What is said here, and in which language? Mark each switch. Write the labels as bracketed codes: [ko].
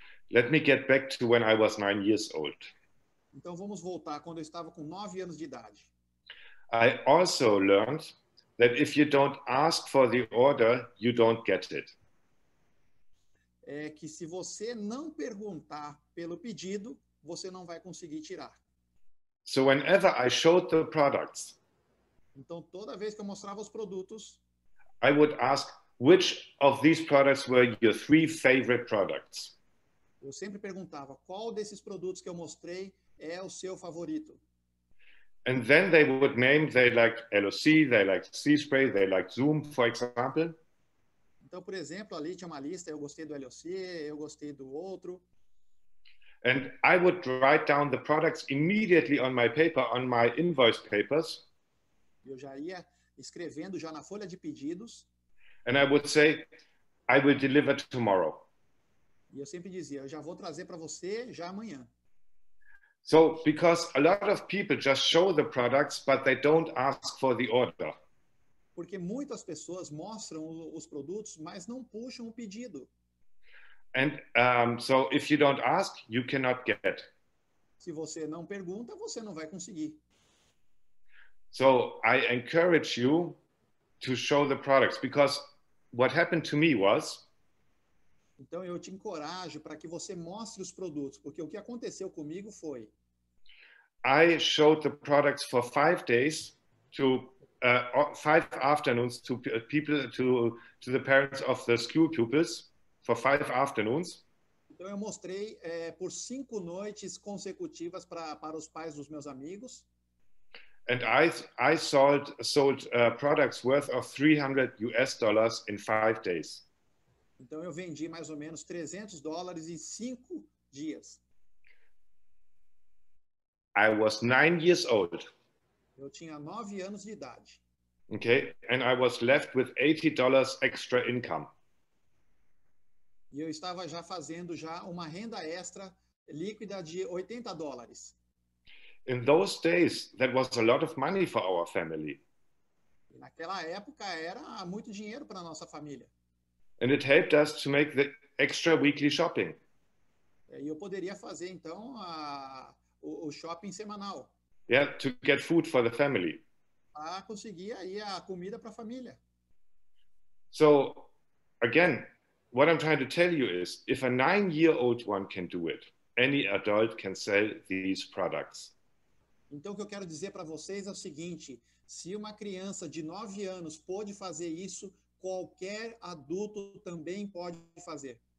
[en] Let me get back to when I was 9 years old. [pt] Então vamos voltar quando eu estava com 9 anos de idade. [en] I also learned that if you don't ask for the order, you don't get it. [pt] É que se você não perguntar pelo pedido, você não vai conseguir tirar. [en] So whenever I showed the products, [pt] então toda vez que eu mostrava os produtos, [en] I would ask which of these products were your 3 favorite products. [pt] Eu sempre perguntava qual desses produtos que eu mostrei é o seu favorito. [en] And then they would name, they liked LOC, they liked Sea Spray, they liked Zoom, for example. [pt] Então, por exemplo, ali tinha uma lista, eu gostei do LOC, eu gostei do outro. [en] And I would write down the products immediately on my paper, on my invoice papers. [pt] Eu já ia escrevendo já na folha de pedidos. [en] And I would say, I will deliver tomorrow. [pt] E eu sempre dizia, eu já vou trazer para você já amanhã. [en] So, because a lot of people just show the products, but they don't ask for the order. [pt] Porque muitas pessoas mostram os produtos, mas não puxam o pedido. [en] And so, if you don't ask, you cannot get. [pt] Se você não pergunta, você não vai conseguir. [en] So, I encourage you to show the products, because what happened to me was... [pt] Então eu te encorajo para que você mostre os produtos, porque o que aconteceu comigo foi... [en] I showed the products for 5 days to 5 afternoons to people to the parents of the school pupils for 5 afternoons. [pt] Então eu mostrei por 5 noites consecutivas para os pais dos meus amigos. [en] And I sold products worth of $300 in 5 days. [pt] Então eu vendi mais ou menos $300 em 5 dias. [en] I was 9 years old. [pt] Eu tinha 9 anos de idade. [en] Okay, and I was left with $80 extra income. [pt] E eu estava já fazendo já uma renda extra líquida de $80. [en] In those days, that was a lot of money for our family. [pt] E naquela época era muito dinheiro para nossa família. [en] And it helped us to make the extra weekly shopping. [pt] E eu poderia fazer então o shopping semanal. [en] Yeah, to get food for the family. [pt] Para conseguir aí a comida para a família. [en] So, again, what I'm trying to tell you is, if a 9-year-old one can do it, any adult can sell these products. [pt] Então, o que eu quero dizer para vocês é o seguinte: se uma criança de 9 anos pode fazer isso, qualquer adulto também pode fazer.